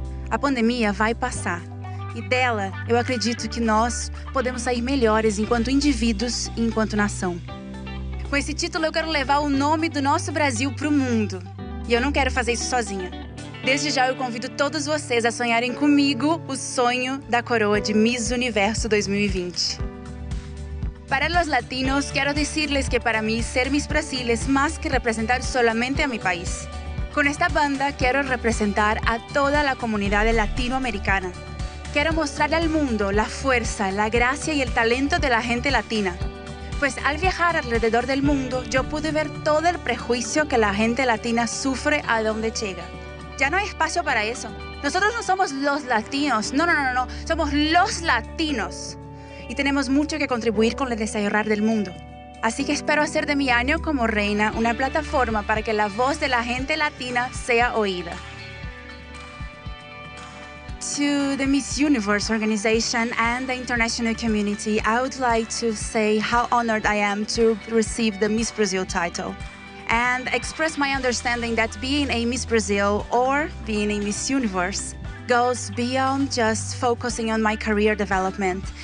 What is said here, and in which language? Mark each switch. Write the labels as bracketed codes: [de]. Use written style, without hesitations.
[pt] A pandemia vai passar. E dela, eu acredito que nós podemos sair melhores enquanto indivíduos e enquanto nação. Com esse título, eu quero levar o nome do nosso Brasil para o mundo. E eu não quero fazer isso sozinha. Desde já, eu convido todos vocês a sonharem comigo o sonho da coroa de Miss Universo 2020. [es] Para los latinos, quiero decirles que para mí ser Miss Brasil es más que representar solamente a mi país. Con esta banda quiero representar a toda la comunidad latinoamericana. Quiero mostrarle al mundo la fuerza, la gracia y el talento de la gente latina. Pues al viajar alrededor del mundo, yo pude ver todo el prejuicio que la gente latina sufre a donde llega. Ya no hay espacio para eso. Nosotros no somos los latinos. No. Somos los latinos. Y tenemos mucho que contribuir con el desarrollo del mundo. Así que espero hacer de mi año como reina una plataforma para que la voz de la gente latina sea oída. [en] To the Miss Universe organization and the international community, I would like to say how honored I am to receive the Miss Brazil title and express my understanding that being a Miss Brazil or being a Miss Universe goes beyond just focusing on my career development.